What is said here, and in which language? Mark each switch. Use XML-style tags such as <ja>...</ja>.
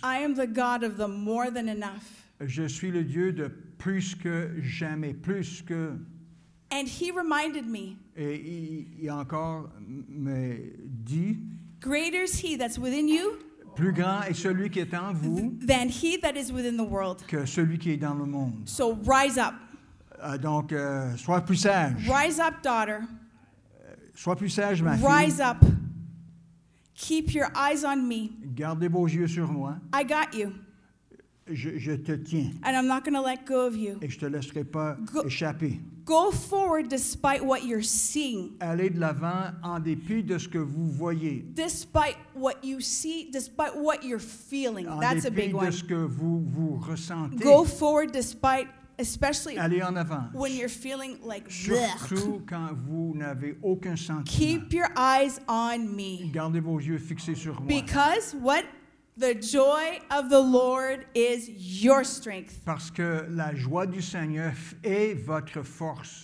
<en>I am the God of the more than enough.</en> <fr>Je suis le Dieu de plus que jamais, plus que.</fr> <en>And he reminded me.</en> <fr>Et il encore me dit.</fr> <en>Greater is he that's within you.</en> <fr>Plus grand est celui qui est en vous.</fr> <en>Than he that is within the world.</en> <fr>Que celui qui est dans le monde.</fr> <en>So rise up.</en> <fr>Donc sois plus sage.</fr> <en>Rise up, daughter.</en> <fr>Sois plus sage, ma</fr> <en>rise</en> <fr>fille.</fr> <en>Rise up. Keep your eyes on me.</en> <fr>Gardez vos yeux sur moi.</fr> <en>I got you.</en> <fr>Je te tiens.</fr> <en>And I'm not going to let go of you.</en> <fr>Et je te laisserai pas échapper.</fr> <en>Go forward despite what you're seeing.</en> <fr>Allez de l'avant en dépit de ce que vous voyez.</fr> <en>Despite what you see, despite what you're feeling. That's a big one.</en> <fr>En dépit de ce que vous ressentez.</fr> <en>Go forward despite, especially</en> <fr>allez en avant.</fr> <en>When you're feeling like</en> <fr>surtout quand vous n'avez aucun sentiment.</fr> <en>Keep your eyes on me.</en> <fr>Gardez vos yeux fixés sur moi.</fr> <en>Because what? The joy of the Lord is your strength.</en> <fr>Parce que la joie du Seigneur est votre force.</fr>